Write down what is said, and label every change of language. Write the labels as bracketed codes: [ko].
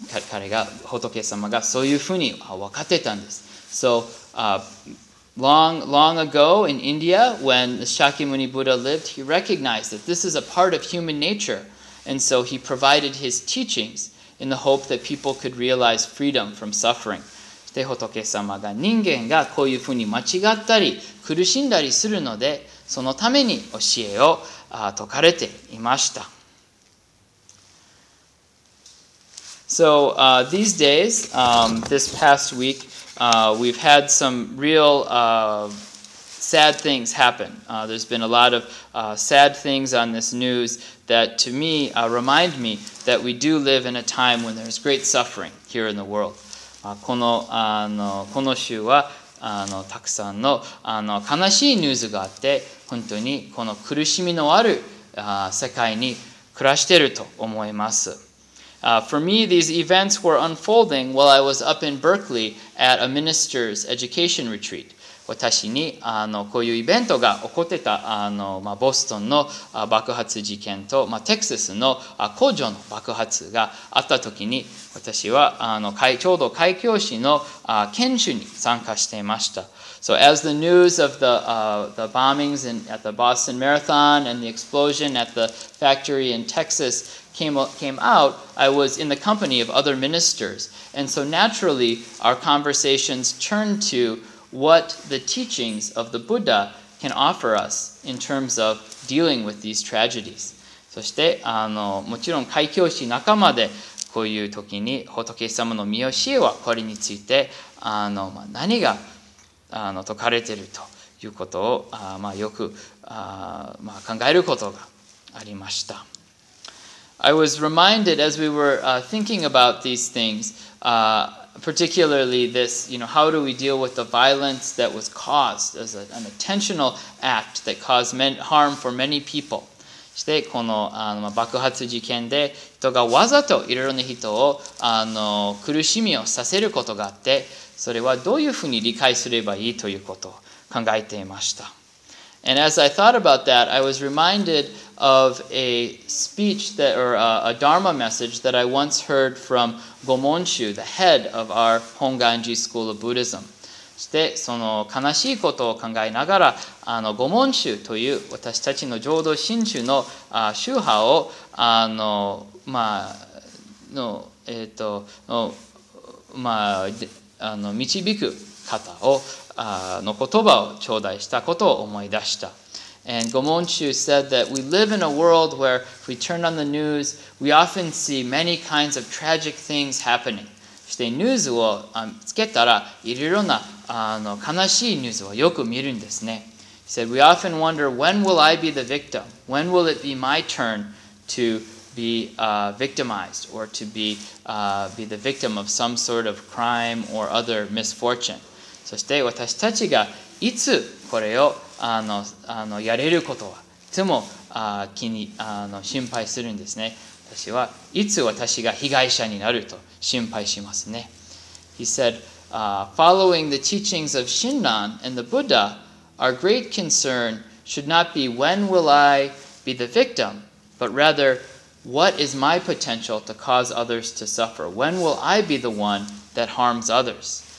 [ja] 彼が仏様がそういうふうに分かってたんです。 [en] So, long ago in India, when the Shakyamuni Buddha lived, he recognized that this is a part of human nature, and so he provided his teachings in the hope that people could realize freedom from suffering. [ja] で、仏様が人間がこういうふうに間違ったり苦しんだりするので、そのために教えを説かれていました。 [en] So these days, this past week, we've had some real sad things happen. There's been a lot of sad things on this news that to me remind me that we do live in a time when there's great suffering here in the world. [ja] この週はたくさんの悲しいニュースがあって、本当にこの苦しみのある世界に暮らしていると思います。 [en] For me, these events were unfolding while I was up in Berkeley at a minister's education retreat. [ja] 私にこういうイベントが起こってたボストンの爆発事件とテキサスの工場の爆発があったときに、私はちょうど開教師の研修に参加していました。 [en] So as the news of the bombings in, at the Boston Marathon and the explosion at the factory in Texas came out, I was in the company of other ministers. And so naturally, our conversations turned to what the teachings of the Buddha can offer us in terms of dealing with these tragedies. [ja] そしてあのもちろん開教師仲間でこういう時に仏様の御教えはこれについてあの、まあ、何があの説かれているということをあ、まあ、よくあ、まあ、考えることがありました。 [en] I was reminded as we were thinking about these things, particularly this, you know, how do we deal with the violence that was caused as an intentional act that caused harm for many people. [ja] そしてこの、 あの爆発事件で人がわざといろいろな人をあの苦しみをさせることがあってそれはどういうふうに理解すればいいということを考えていました。 [en] And as I thought about that, I was reminded of a speech that, or a Dharma message that I once heard from Gomonshu, the head of our Honganji School of Buddhism. [ja] そしてその悲しいことを考えながらあの御門宗という私たちの浄土真宗の宗派をあの、まあのえーとのまあ、あの導く方をあの言葉を頂戴したことを思い出した。 [en] And Gomonshu said that we live in a world where if we turn on the news, we often see many kinds of tragic things happening. [ja] そしてニュースをつけたらいろいろなあの悲しいニュースをよく見るんですね。 [en] He said, we often wonder, when will I be the victim? When will it be my turn to be victimized or to be the victim of some sort of crime or other misfortune? [ja] そして私たちがいつこれをあのやれることはいつも気にあの心配するんですね。私はいつ私が被害者になると心配しますね。 [en] He said, following the teachings of Shinran and the Buddha, our great concern should not be when will I be the victim, but rather what is my potential to cause others to suffer? When will I be the one that harms others?